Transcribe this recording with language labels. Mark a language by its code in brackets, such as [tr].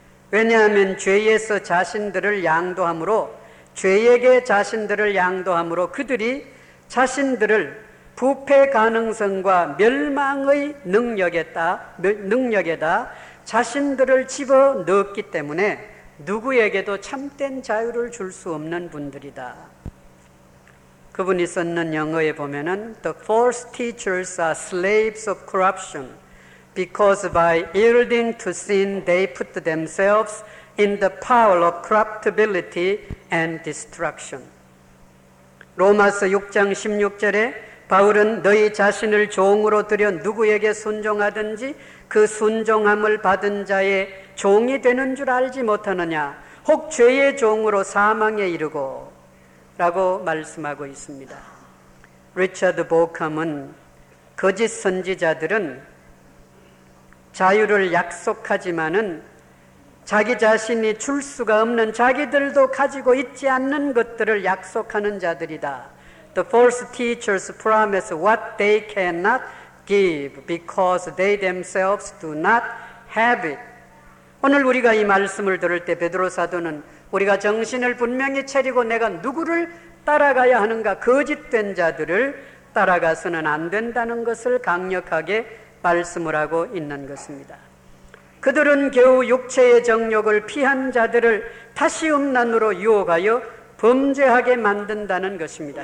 [ko] 왜냐하면 죄에서 자신들을 양도함으로 죄에게 자신들을 양도함으로 그들이 자신들을 부패 가능성과 멸망의 능력에다 자신들을 집어넣기 때문에 누구에게도 참된 자유를 줄 수 없는 분들이다. 그분이 썼는 영어에 보면은 [en] The false teachers are slaves of corruption because by yielding to sin they put themselves in the power of corruptibility and destruction. [ko] 로마서 6장 16절에 바울은 너희 자신을 종으로 들여 누구에게 순종하든지 그 순종함을 받은 자의 종이 되는 줄 알지 못하느냐 혹 죄의 종으로 사망에 이르고 라고 말씀하고 있습니다. 리처드 보캄은 거짓 선지자들은 자유를 약속하지만은 자기 자신이 줄 수가 없는 자기들도 가지고 있지 않는 것들을 약속하는 자들이다. [en] The false teachers promise what they cannot give because they themselves do not have it. [ko] 오늘 우리가 이 말씀을 들을 때 베드로 사도는 우리가 정신을 분명히 차리고 내가 누구를 따라가야 하는가 거짓된 자들을 따라가서는 안 된다는 것을 강력하게 말씀을 하고 있는 것입니다. 그들은 겨우 육체의 정욕을 피한 자들을 다시 음란으로 유혹하여 범죄하게 만든다는 것입니다.